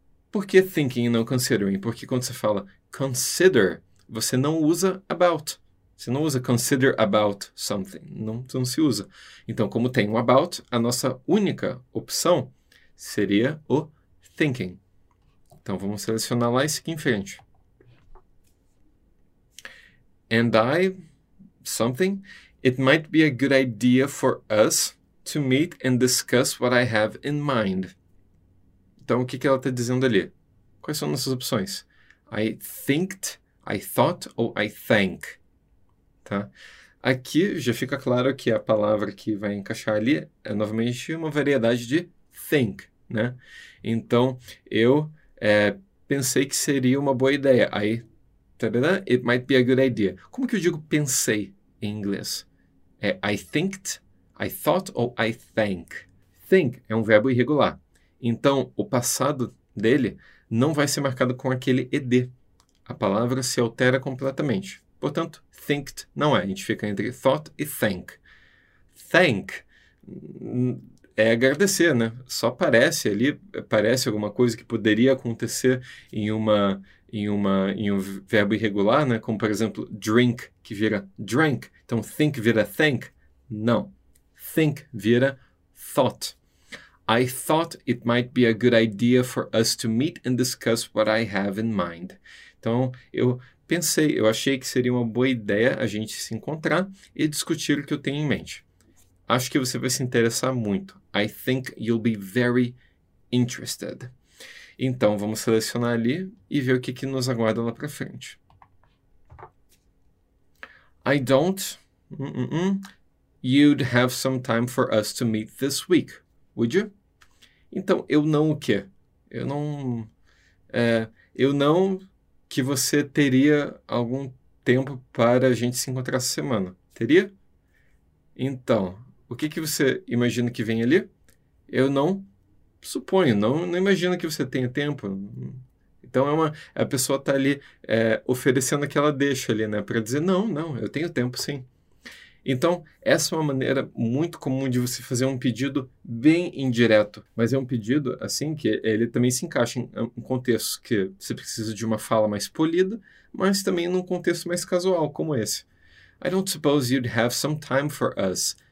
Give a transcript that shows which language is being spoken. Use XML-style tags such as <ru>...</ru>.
<pt>Por que thinking e não considering? Porque quando você fala consider, você não usa about. Você não usa</pt> <en>consider about something.</en> <pt>Não se usa. Então, como tem o about, a nossa única opção seria o thinking. Então, vamos selecionar lá e seguir em frente.</pt> <en>And I something, it might be a good idea for us to meet and discuss what I have in mind.</en> <pt>Então, o que ela está dizendo ali? Quais são nossas opções?</pt> <en>I thinked, I thought, or I think.</en> <pt>Tá? Aqui já fica claro que a palavra que vai encaixar ali é novamente uma variedade de think, né? Então, eu pensei que seria uma boa ideia. Aí, tá,</pt> <en>it might be a good idea.</en> <pt>Como que eu digo pensei em inglês? É</pt> <en>I thinked, I thought, or I think.</en> <pt>Think é um verbo irregular. Então, o passado dele não vai ser marcado com aquele ed. A palavra se altera completamente. Portanto, thinked não é. A gente fica entre thought e think. Thank é agradecer, né? Só parece ali, parece alguma coisa que poderia acontecer em um verbo irregular, né? Como, por exemplo, drink, que vira drank. Então, think vira thank. Não. Think vira thought.</pt> <en>I thought it might be a good idea for us to meet and discuss what I have in mind.</en> <pt>Então, eu pensei, eu achei que seria uma boa ideia a gente se encontrar e discutir o que eu tenho em mente. Acho que você vai se interessar muito.</pt> <en>I think you'll be very interested.</en> <pt>Então, vamos selecionar ali e ver o que, que nos aguarda lá para frente.</pt> <en>I don't... You'd have some time for us to meet this week, would you?</en> <pt>Então, eu não o quê? Eu não que você teria algum tempo para a gente se encontrar essa semana. Teria? Então, o que, que você imagina que vem ali? Eu não suponho, não imagino que você tenha tempo. Então, a pessoa está ali oferecendo aquela deixa ali, né? Para dizer, não, eu tenho tempo sim. Então, essa é uma maneira muito comum de você fazer um pedido bem indireto. Mas é um pedido, assim, que ele também se encaixa em um contexto que você precisa de uma fala mais polida, mas também num contexto mais casual, como esse.</pt> <en>I don't suppose you'd have some time for us.</en>